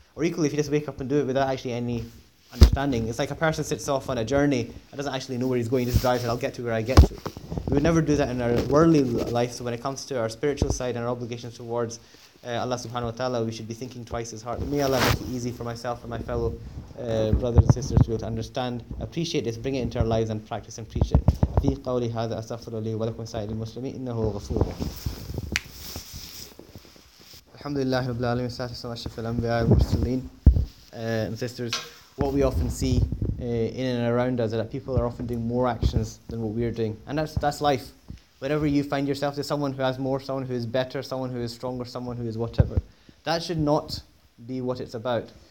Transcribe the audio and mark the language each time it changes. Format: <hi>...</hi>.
<en>Or equally, if you just wake up and do it without actually any understanding, it's like a person sits off on a journey and doesn't actually know where he's going, he just drives and I'll get to where I get to. We would never do that in our worldly life, so when it comes to our spiritual side and our obligations towards Allah subhanahu wa ta'ala, we should be thinking twice as hard. May Allah make it easy for myself and my fellow brothers and sisters to be able to understand, appreciate this, bring it into our lives and practice and preach it.</en> <ar>في قولي هذا أستغفر لي ولكم سائر المسلمين إنه غفور. الحمد لله رب العالمين والصلاة والسلام على أشرف الأنبياء والمرسلين.</ar> <en>And sisters, what we often see in and around us is that people are often doing more actions than what we're doing. And that's life. Whenever you find yourself as someone who has more, someone who is better, someone who is stronger, someone who is whatever, that should not be what it's about.</en>